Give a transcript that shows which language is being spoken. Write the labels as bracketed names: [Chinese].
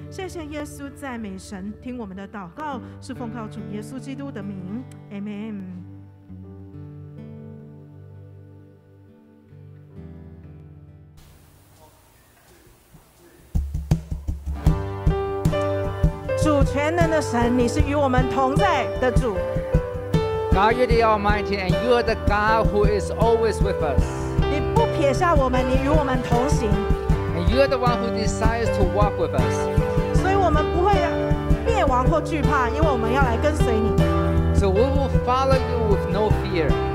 [Chinese] 谢谢耶稣，赞美神，听我们的祷告，是奉靠主耶稣基督的名， Amen。主，全能的神，你是与我们同在的主。 [English] God, you're the Almighty, and you are the God who is always with us. [Chinese] 你不撇下我们，你与我们同行。 [English] And you are the one who desires to walk with us. [Chinese] 所以我们不会灭亡或惧怕，因为我们要来跟随你。 [English] So we will follow you with no fear.